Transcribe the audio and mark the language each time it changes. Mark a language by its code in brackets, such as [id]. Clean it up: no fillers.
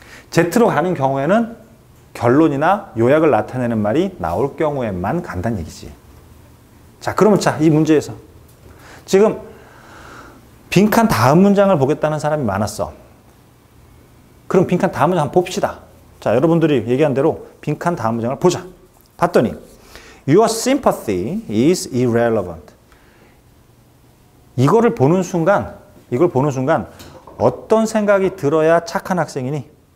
[ko] Z로 가는 경우에는 결론이나 요약을 나타내는 말이 나올 경우에만 간단 얘기지. 자, 그러면 자, 이 문제에서 지금 빈칸 다음 문장을 보겠다는 사람이 많았어. 그럼 빈칸 다음 문장 한번 봅시다. 자, 여러분들이 얘기한 대로 빈칸 다음 문장을 보자. 봤더니 [en] Your sympathy is irrelevant. [ko] 이거를 보는 순간, 이걸 보는 순간 어떤 생각이 들어야 착한 학생이니?